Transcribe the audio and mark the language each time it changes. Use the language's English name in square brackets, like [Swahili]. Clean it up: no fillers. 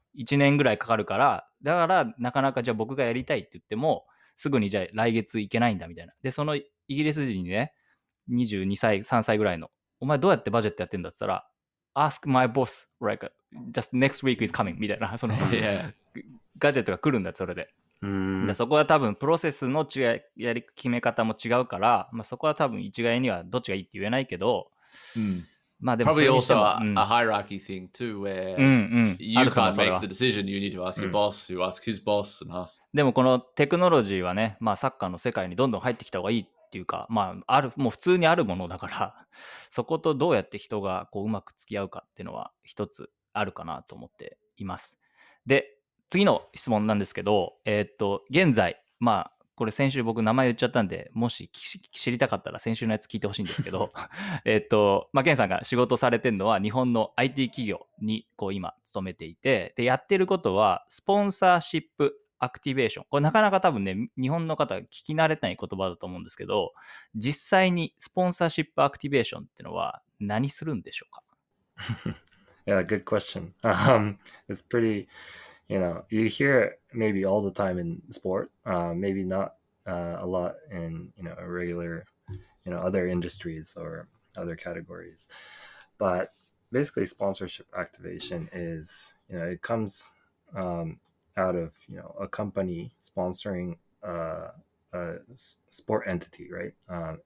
[Japanese] 1年ぐらいかかるから、だからなかなかじゃあ僕がやりたいって言ってもすぐにじゃあ来月行けないんだみたいな。で、そのイギリス人にね、22歳、3歳ぐらいの、お前どうやってバジェットやってんだって言ったら、 [English] Ask my boss like just next week is coming [Japanese] みたいな、そのガジェットが来るんだって、それで。うん、そこは多分プロセスの違いやり決め方も違うから、まあ、そこは多分一概にはどっちがいいって言えないけど、うん、まあでもそれにしても [English] Probably also、うん、a hierarchy thing too where、うんうん、 you can't make the decision you need to ask your boss、うん、you ask his boss and ask [Japanese] でもこのテクノロジーはね、まあ、サッカーの世界にどんどん入ってきた方がいいっていうか、まあ、あるもう普通にあるものだからそことどうやって人がこ うまく付き合うかっていうのは一つあるかなと思っています。で次の質問なんですけど、現在、まあ、これ先週僕名前言っちゃったんで、もし知りたかったら先週のやつ聞いてほしいんですけど、まあ、ケンさんが仕事されてるのは日本の IT 企業にこう今勤めていて、で、やってることはスポンサーシップアクティベーション。これなかなか多分ね、日本の方は聞き慣れない言葉だと思うんですけど、実際にスポンサーシップアクティベーションってのは何するんでしょうか？ [English] Yeah, good question. It's pretty... You know, you hear it maybe all the time in sport, maybe not a lot in, you know, regular, you know, other industries or other categories. But basically sponsorship activation is, you know, it comes out of, you know, a company sponsoring a sport entity, right?